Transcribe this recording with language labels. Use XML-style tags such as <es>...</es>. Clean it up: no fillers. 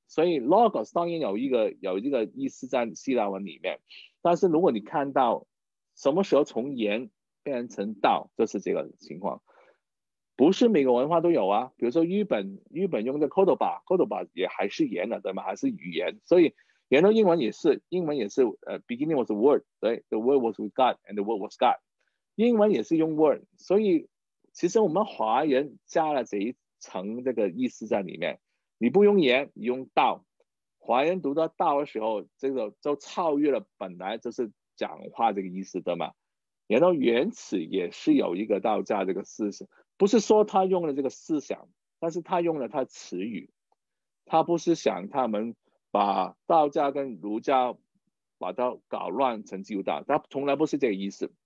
<zh>所以 logos 当然有一个意思在希腊文里面。但是如果你看到什么时候从言变成道，就是这个情况，不是每个文化都有啊。比如说日本用的 Kodoba 也还是言的，对吗？还是语言。所以然后英文也是</zh> <en>beginning was a word，right？The word was with God and the word was God。</en> <zh>英文也是用 word，所以其实我们华人加了这一层这个意思在里面。你不用言，你用道。华人读到道的时候，这个就超越了本来就是讲话这个意思的嘛。然后原始也是有一个道家这个思想，不是说他用了这个思想，但是他用了他词语，他不是想他们把道家跟儒家把它搞乱成基督教，他从来不是这个意思。</zh>